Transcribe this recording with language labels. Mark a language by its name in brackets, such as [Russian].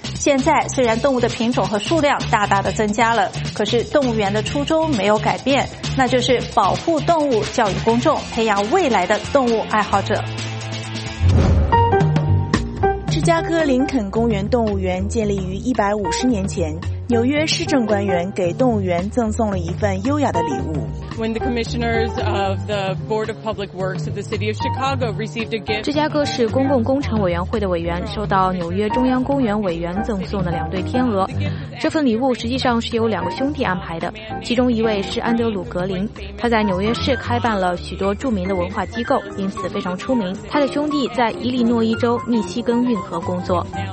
[Chinese] 现在虽然动物的品种和数量大大的增加了，可是动物园的初衷没有改变，那就是保护动物，教育公众，培养未来的动物爱好者。芝加哥林肯公园动物园建立于150年前，纽约市政官员给动物园赠送了一份优雅的礼物。 [English] When the commissioners of the Board of Public Works of the City of Chicago received a gift, [Chinese] 芝加哥市公共工程委员会的委员收到纽约中央公园委员赠送的两对天鹅。这份礼物实际上是由两个兄弟安排的，其中一位是安德鲁·格林，他在纽约市开办了许多著名的文化机构，因此非常出名。他的兄弟在伊利诺伊州密西根运河工作。